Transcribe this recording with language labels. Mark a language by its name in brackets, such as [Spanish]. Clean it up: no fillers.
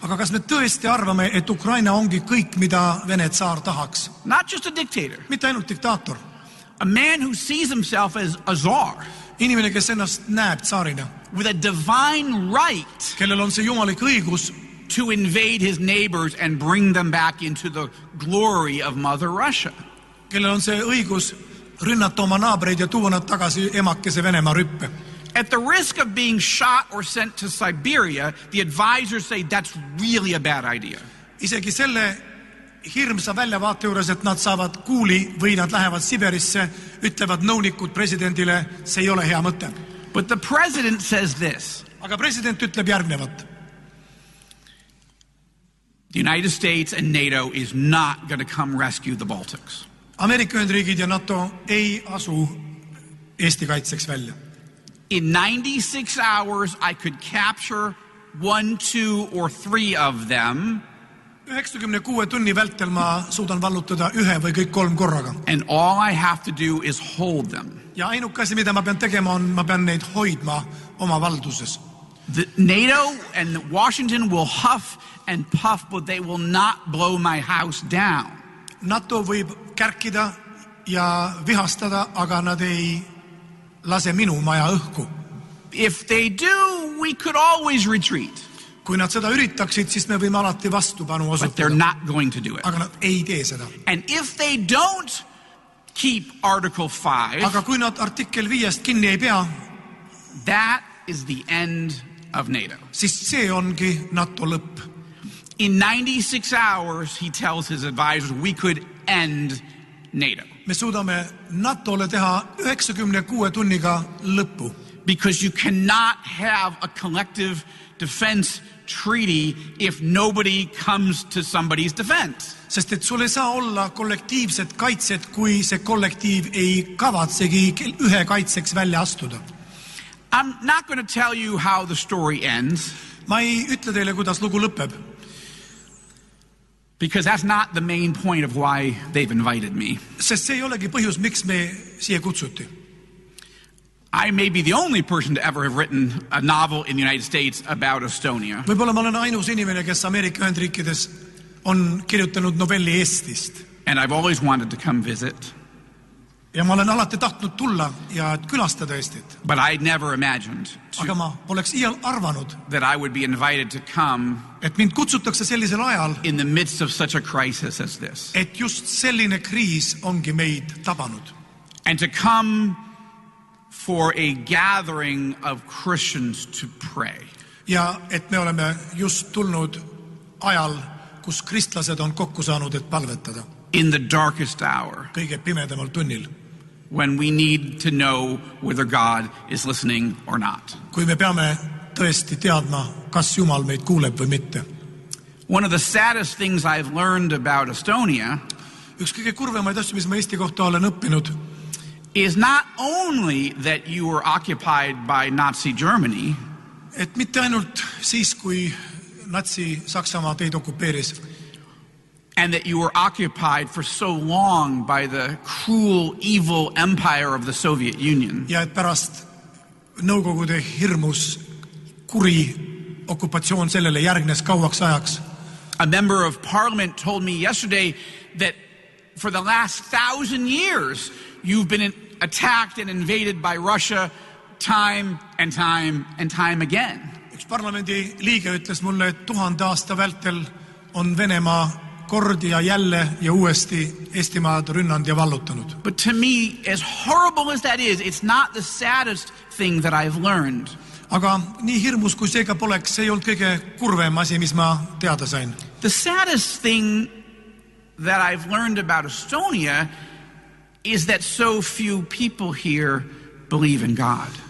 [Estonian] Aga kas me tõesti arvame, et Ukraina ongi kõik, mida Vene tsaar tahaks? [English] Not just a dictator. [Estonian] Mitte ainult diktaator. [English] A man who sees himself as a czar. [Estonian] Inimene, kes ennast näeb tsaarina. [English] With a divine right. [Estonian] Kellel on see jumalik õigus. [English] To invade his neighbors and bring them back into the glory of Mother Russia. [Estonian] Kellel on see õigus rünnata oma naabreid ja tuua nad tagasi emakese Venema rüppe. [English] At the risk of being shot or sent to Siberia, the advisors say that's really a bad idea. [Estonian] Isegi selle hirmsa väljavaate juures, et nad saavad kuuli või nad lähevad Siberisse, ütlevad nõunikud presidentile, see ei ole hea mõte. [English] But the president says this. [Estonian] Aga president ütleb järgnevat. [English] The United States and NATO is not going to come rescue the Baltics. [Estonian] Ameerika Ühendriigid ja NATO ei asu Eesti kaitseks välja. [English] In 96 hours I could capture one, two or three of them. [Estonian] 96 tunni vältel ma suudan vallutada ühe või kõik kolm korraga. [English] And all I have to do is hold them. [Estonian] Ja ainukasi, mida ma pean tegema, on ma pean neid hoidma oma valduses. [English] The NATO and Washington will huff and puff, but they will not blow my house down. [Estonian] NATO võib kärkida ja vihastada, aga nad ei lase minu maja õhku. [English] If they do, we could always retreat. [Estonian] Kui nad seda üritaksid, siis me võime alati vastupanu osutada. [English] But they're not going to do it. [Estonian] Aga nad ei tee seda. [English] And if they don't keep Article 5, [Estonian] aga kui nad artikkel 5 kinni ei pea, [English] that is the end of NATO. [Estonian] Siis see ongi NATO lõpp. [English] In 96 hours, he tells his advisors, we could end NATO. [Estonian] Me suudame NATOle teha 96 tunniga lõppu. [English] Because you cannot have a collective defense treaty if nobody comes to somebody's defense. [Estonian] Sest et sul ei saa olla kollektiivsed kaitsed, kui see kollektiiv ei kavatsegi ühe kaitseks välja astuda. [English] I'm not going to tell you how the story ends. [Estonian] Ma ei ütle teile, kuidas lugu lõpeb. [English] Because that's not the main point of why they've invited me. I may be the only person to ever have written a novel in the United States about Estonia. And I've always wanted to come visit. [Estonian] Ja ma olen alati tahtnud tulla ja külastada Eestit. [English] But I never imagined that I would be invited to come [Estonian] et mind kutsutakse sellisel ajal, [English] in the midst of such a crisis as this. [Estonian] Et just selline kriis ongi meid tabanud. [English] And to come for a gathering of Christians to pray. [Estonian] Ja et me oleme just tulnud ajal, kus kristlased on kokku saanud, et palvetada. [English] In the darkest hour. [Estonian] Kõige pimedamal tunnil. [English] When we need to know whether God is listening or not. [Estonian] Kui me peame tõesti teadma, kas Jumal meid kuuleb või mitte. [English] One of the saddest things I've learned about Estonia [Estonian] üks kõige kurvemaid asju, mis ma Eesti kohta olen õppinud [English] is not only that you were occupied by Nazi Germany [Estonian] et mitte ainult siis, kui Nazi Saksamaa teid okupeeris [English] and that you were occupied for so long by the cruel, evil empire of the Soviet Union. [Estonian] Ja et pärast Nõukogude hirmus kuri okupatsioon sellele järgnes kauaks ajaks. [English] A member of parliament told me yesterday that for the last 1,000 years you've been attacked and invaded by Russia time and time and time again. [Estonian] Üks parlamendi liige ütles mulle, et 1000 aasta vältel on Venemaa kord ja jälle ja uuesti Eestimaad rünnand ja vallutanud. [English] But to me, as horrible as that is, it's not the saddest thing that I've learned. [Estonian] Aga nii hirmus kui seega poleks, see ei olnud kõige kurvem asi, mis ma teada sain. [English] The saddest thing that I've learned about Estonia is that so few people here believe in God.